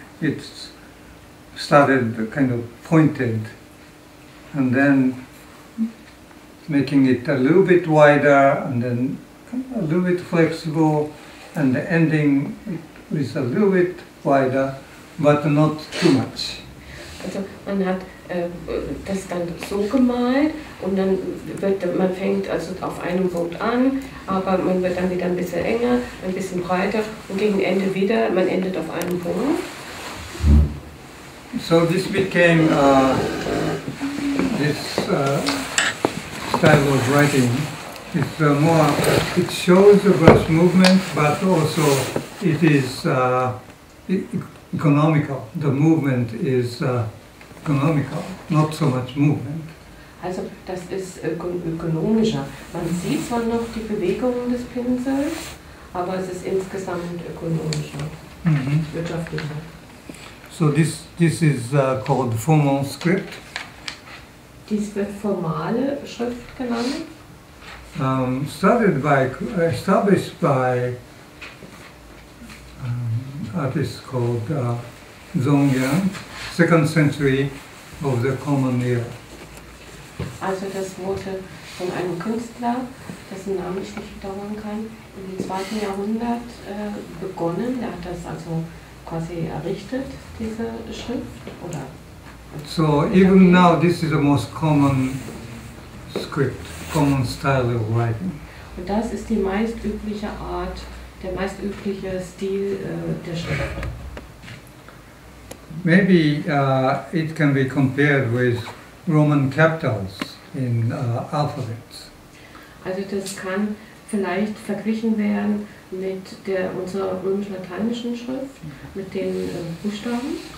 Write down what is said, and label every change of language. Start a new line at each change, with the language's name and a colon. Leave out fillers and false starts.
English: It started kind of pointed and then making it a little bit wider and then a little bit flexible and the ending is a little bit wider but not too much.
German: Also man hat das dann so gemalt und dann wird man fängt also auf einem Punkt an, aber man wird dann wieder ein bisschen enger, ein bisschen breiter und gegen Ende wieder, man endet auf einem Punkt.
English: So this became this style of writing. It's more, it shows the brush movement, but also it is economical. The movement is economical, not so much movement.
German: Also das ist ökonomischer. Man sieht zwar noch die Bewegungen des Pinsels, aber es ist insgesamt ökonomischer, wirtschaftlicher.
English: So this is called formal script.
German: Dies wird formale Schrift genannt.
English: Established by artist called Zongyan, second century of the common era.
German: Also das wurde von einem Künstler, dessen Namen ich nicht bedauern kann, im 2. Jahrhundert begonnen. Er hat das also quasi errichtet, diese Schrift, oder?
English: So even now this is the most common script, common style of writing.
German: Und das ist die meistübliche Art, der meistübliche Stil der Schrift.
English: Maybe it can be compared with Roman capitals in alphabets.
German: Also das kann vielleicht verglichen werden mit der unserer römisch-lateinischen Schrift, mit den Buchstaben.